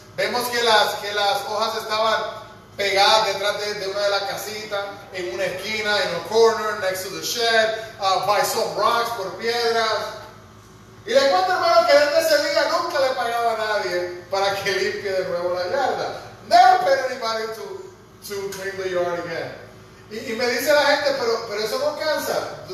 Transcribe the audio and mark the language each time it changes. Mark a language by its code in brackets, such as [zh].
[es] Vemos que las hojas estaban pegadas detrás de una de las casitas, en una esquina, [en] in a corner, next to the shed, by some rocks, [es] por piedras. Y le cuento, hermano, que desde ese día nunca le pagaba a nadie para que limpie de nuevo la yarda. [en] Never paid anybody to clean the yard again. [es] Y me dice la gente, pero eso no cansa.